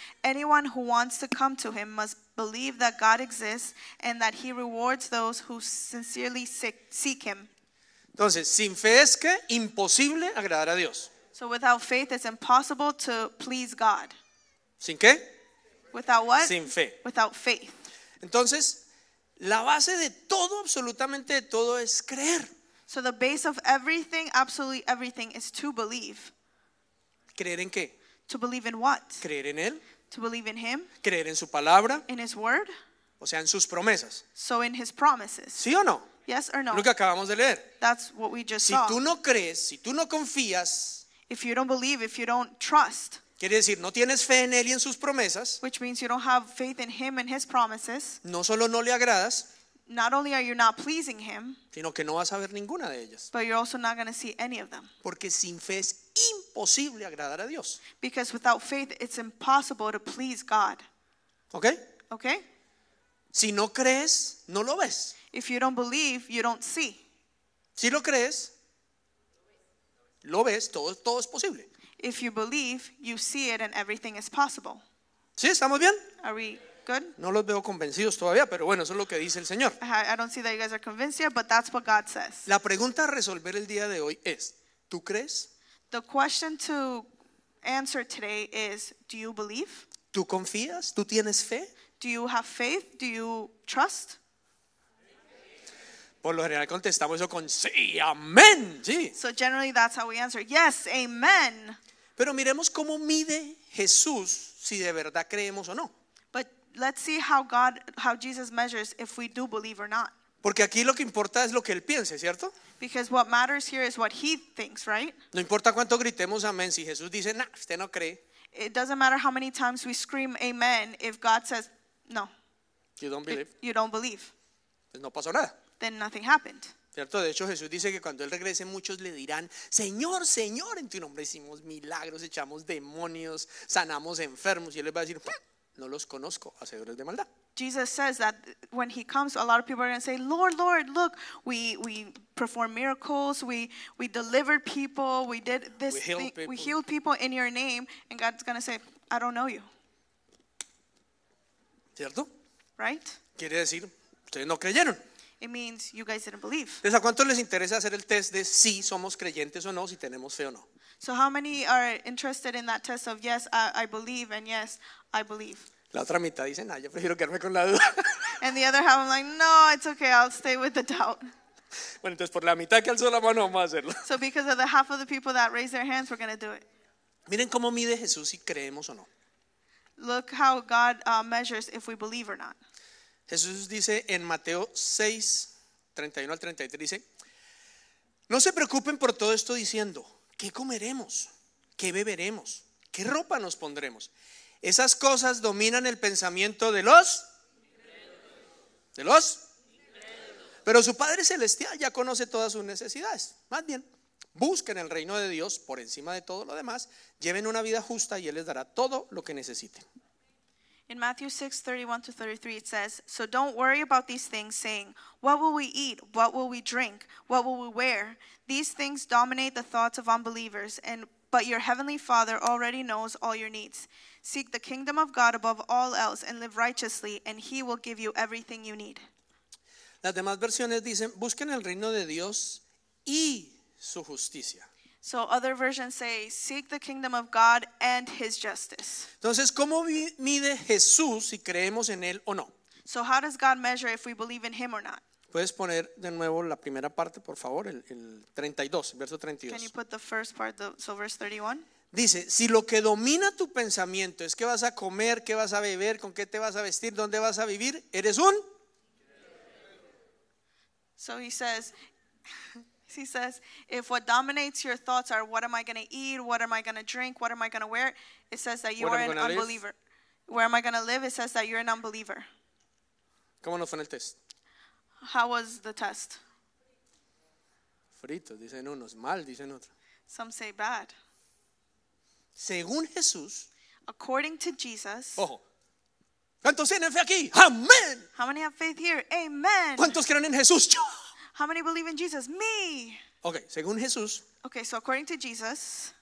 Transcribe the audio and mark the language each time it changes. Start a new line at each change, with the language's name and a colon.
English: Anyone who wants to come to Him must believe that God exists and that He rewards those who sincerely seek Him.
Spanish: Entonces, sin fe es que imposible agradar a Dios.
English: So without faith, it's impossible to please God.
Spanish: ¿Sin qué?
English: Without what?
Spanish: Sin fe.
English: Without faith.
Spanish: Entonces, la base de todo, absolutamente de todo, es creer.
English: So the base of everything, absolutely everything, is to believe.
Spanish: ¿Creer en qué?
English: To believe in what?
Spanish: Creer en Él.
English: To believe in Him.
Spanish: Creer en su palabra.
English: In His word.
Spanish: O sea, en sus promesas.
English: So in His promises.
Spanish: ¿Sí o no?
English: Yes or no?
Spanish: Lo que acabamos de leer.
English: That's what we just
Spanish: saw. Si tú no crees, si tú no confías...
English: If you don't believe, if you don't trust,
Spanish: quiere decir, no tienes fe en Él y en sus promesas,
English: which means you don't have faith in Him and His promises,
Spanish: no solo no le agradas,
English: not only are you not pleasing Him,
Spanish: sino que no vas a ver ninguna de ellas,
English: but you're also not going to see any of them.
Spanish: Porque sin fe es imposible agradar a Dios.
English: Because without faith, it's impossible to please God. Okay? Okay?
Spanish: Si no crees, no lo ves.
English: If you don't believe, you don't see.
Spanish: Si lo crees, lo ves, todo es posible.
English: If you believe, you see it and everything is possible.
Spanish: ¿Sí, estamos bien?
English: Are we good?
Spanish: No los veo convencidos todavía, pero bueno, eso es lo que dice el Señor.
English: I don't see that you guys are convinced yet, but that's what God says.
Spanish: La pregunta a resolver el día de hoy es, ¿tú crees?
English: The question to answer today is, do you believe?
Spanish: ¿Tú confías? ¿Tú tienes fe?
English: Do you have faith? Do you trust?
Spanish: Por lo general contestamos eso con sí, amén, sí.
English: So generally that's how we answer, yes, amen.
Spanish: Pero miremos cómo mide Jesús si de verdad creemos o no.
English: But let's see how Jesus measures if we do believe or not.
Spanish: Porque aquí lo que importa es lo que Él piense, ¿cierto?
English: Because what matters here is what He thinks, right?
Spanish: No importa cuánto gritemos amén, si Jesús dice, nah, usted no cree.
English: It doesn't matter how many times we scream amen if God says, no. You don't believe. You don't believe.
Spanish: Pues no pasó nada.
English: Then nothing happened.
Spanish: Cierto, de hecho Jesús dice que cuando Él regrese muchos le dirán, Señor, Señor, en tu nombre hicimos milagros, echamos demonios, sanamos enfermos. Y Él les va a decir, no los conozco, hacedores de maldad.
English: Jesus says that when He comes, a lot of people are going to say, Lord, Lord, look, we performed miracles, we delivered people, we did this, we healed people in your name. And God's going to say, I don't know you.
Spanish: Cierto?
English: Right?
Spanish: Quiere decir, ustedes no creyeron.
English: It means you guys didn't believe.
Spanish: ¿Desde cuánto les interesa hacer el test de si somos creyentes o no, si tenemos fe o no?
English: So how many are interested in that test of yes, I believe and yes, I believe?
Spanish: La otra mitad dice, no, yo prefiero quedarme con la duda.
English: And the other half, I'm like, no, it's okay, I'll stay with the doubt.
Spanish: Bueno, entonces por la mitad que alzó la mano vamos a hacerlo.
English: So because of the half of the people that raised their hands, we're going to do it.
Spanish: Miren cómo mide Jesús si creemos o no.
English: Look how God measures if we believe or not.
Spanish: Jesús dice en Mateo 6, 31 al 33, dice, no se preocupen por todo esto diciendo, ¿qué comeremos? ¿Qué beberemos? ¿Qué ropa nos pondremos? Esas cosas dominan el pensamiento de los, pero su Padre Celestial ya conoce todas sus necesidades. Más bien, busquen el reino de Dios por encima de todo lo demás, lleven una vida justa y Él les dará todo lo que necesiten.
English: In Matthew 6, 31 to 33, it says, so don't worry about these things, saying, what will we eat? What will we drink? What will we wear? These things dominate the thoughts of unbelievers, but your heavenly Father already knows all your needs. Seek the kingdom of God above all else and live righteously, and He will give you everything you need.
Spanish: Las demás versiones dicen, busquen el reino de Dios y su justicia.
English: So other versions say, seek the kingdom of God and His justice.
Spanish: Entonces, ¿cómo mide Jesús si creemos en Él o no?
English: So how does God measure if we believe in Him or not?
Spanish: ¿Puedes poner de nuevo la primera parte, por favor, el 32, verso 32?
English: Can you put the first part, verse 31?
Spanish: Dice, si lo que domina tu pensamiento es qué vas a comer, qué vas a beber, con qué te vas a vestir, dónde vas a vivir, eres un.
English: So he says, if what dominates your thoughts are what am I going to eat, what am I going to drink, what am I going to wear, it says that you are an unbeliever. Where am I going to live? It says that you're an unbeliever.
Spanish: ¿Cómo nos fue en el test?
English: How was the test?
Spanish: Frito, dicen unos, mal, dicen otros.
English: Some say bad.
Spanish: Según Jesús,
English: according to Jesus,
Spanish: ojo, ¿cuántos tienen fe aquí? Amén.
English: How many have faith here? Amen.
Spanish: ¿Cuántos creen en Jesús? Yo.
English: How many believe in Jesus? Me.
Spanish: Okay, según Jesús.
English: Okay, so according to Jesus,